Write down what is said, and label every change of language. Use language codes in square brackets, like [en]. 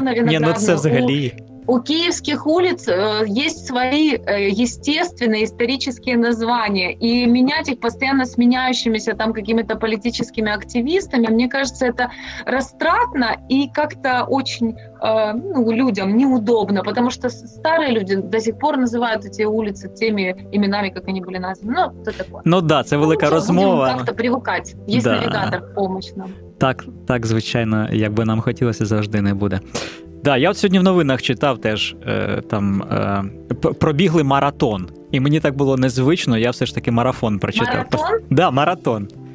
[uk] на взагалі. У київських вулиць є свої [ru] естественні, [uk] історичні [ru] названия. [uk] І міняти їх постійно зміняючимися там [ru] якими-то [uk] політичними активістами, [ru] мені кажется, [uk] це розтратно і [ru] як-то очень... ну, людям неудобно, потому что старые люди до сих пор называют эти улицы теми именами, как они были названы. Ну, то такое. [uk] Ну да, це велика розмова. [ru] Будем как-то привыкать. Есть да. Навигатор, помощь нам. [uk] Так, так, звичайно, як би нам хотілося, завжди не буде. Да, я от сьогодні в новинах читав теж, там, пробігли маратон. І мені так було незвично, я все ж таки марафон прочитав. Маратон? Да, маратон.